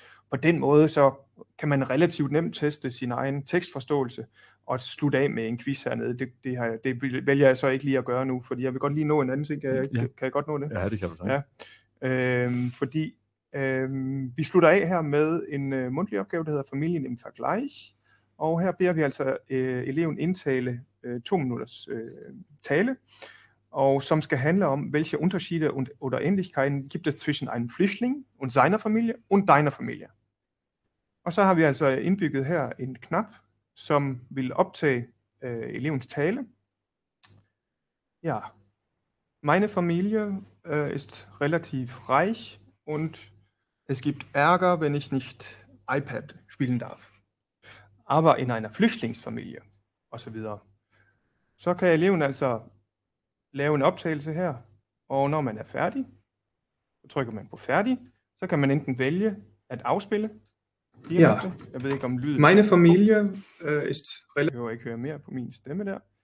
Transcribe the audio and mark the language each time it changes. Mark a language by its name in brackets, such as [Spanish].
[Danish] På den måde så kan man relativt nemt teste sin egen tekstforståelse og slutte af med en quiz hernede. Det vælger jeg så ikke lige at gøre nu, fordi jeg vil godt lige nå en anden ting. Kan jeg godt nå det? Ja, det kan du sige. Ja. Fordi vi slutter af her med en mundtlig opgave, der hedder Familien im Vergleich. Og her beder vi altså eleven indtale 2 minutters tale, og som skal handle om, hvilke [German] unterschiede oder ähnlichkeiten gibt es zwischen einem Flüchtling und seiner Familie und deiner Familie. [Danish] Og så har vi altså indbygget her en knap, som vil optage elevens tale. [German] Ja, meine Familie ist relativ reich und es gibt Ärger, wenn ich nicht iPad spielen darf. Aber in einer Flüchtlingsfamilie osv. [Danish] Så kan eleven altså lave en optagelse her, og når man er færdig, så trykker man på færdig, så kan man enten vælge at afspille. Ja. Jeg ved ikke om lyden. [German] Meine Familie ist relativ. [Danish] Jeg behøver ikke høre mere på min stemme der.